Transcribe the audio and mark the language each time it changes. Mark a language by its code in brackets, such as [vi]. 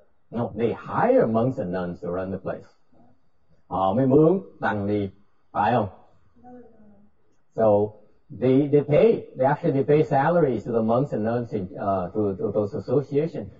[en] No, they hire monks and nuns to run the place. [vi] Họ mới mướn tăng đi, phải không? [en] So they pay salaries to the monks and nuns to those associations.